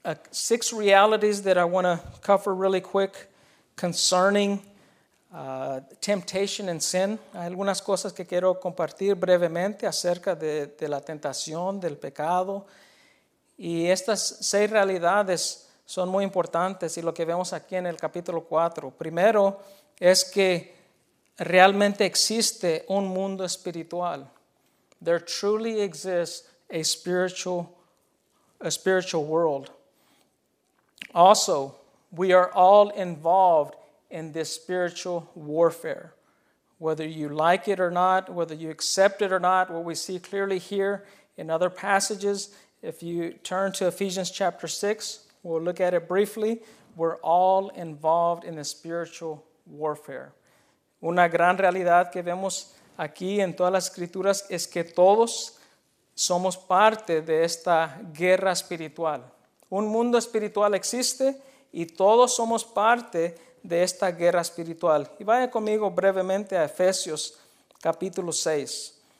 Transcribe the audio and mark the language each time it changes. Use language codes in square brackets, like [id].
[en] Six realities that I want to cover really quick concerning temptation and sin. [es] Hay algunas cosas que quiero compartir brevemente acerca de la tentación, del pecado. Y estas seis realidades son muy importantes y lo que vemos aquí en el capítulo 4. Primero, es que realmente existe un mundo espiritual. [en] There truly exists a spiritual world. Also, we are all involved in this spiritual warfare. Whether you like it or not, whether you accept it or not, what we see clearly here in other passages, if you turn to Ephesians chapter 6, we'll look at it briefly. We're all involved in the spiritual warfare. [es] Una gran realidad que vemos aquí en todas las escrituras es que todos somos parte de esta guerra espiritual. Un mundo espiritual existe y todos somos parte de esta guerra espiritual. Y vaya conmigo brevemente a Efesios capítulo 6.